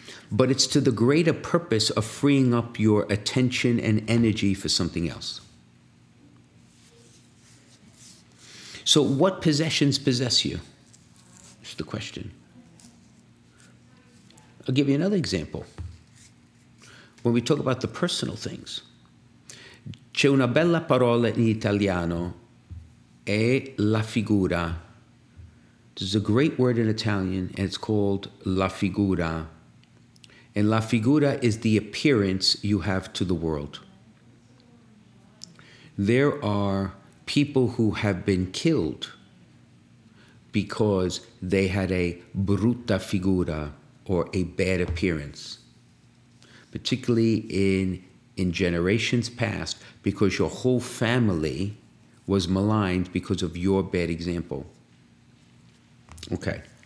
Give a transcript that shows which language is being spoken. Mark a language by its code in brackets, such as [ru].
[en] But it's to the greater purpose of freeing up your attention and energy for something else. So what possessions possess you? That's the question. I'll give you another example. When we talk about the personal things, [it] c'è una bella parola in italiano, è la figura. [en] There's a great word in Italian, and it's called la figura. And la figura is the appearance you have to the world. There are people who have been killed because they had a brutta figura, or a bad appearance, particularly in generations past, because your whole family was maligned because of your bad example. Okay.